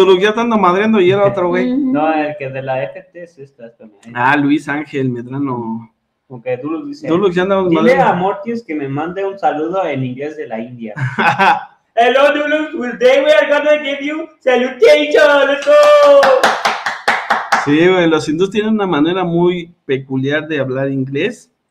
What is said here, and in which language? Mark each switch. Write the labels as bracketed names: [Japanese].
[Spanish] Dulux, ya te ando madreando y era otro güey. No, el que de la FT es esta. Ah, Luis Ángel Medrano. Ok, Dulux dice. Dulux, ya andamos madreando. Dile a Mortius que me mande un saludo en inglés de la India. [English] Hello, Dulux, today we are gonna give you salutation, let's go! [Spanish] Sí, güey, los hindús tienen una manera muy peculiar de hablar inglés.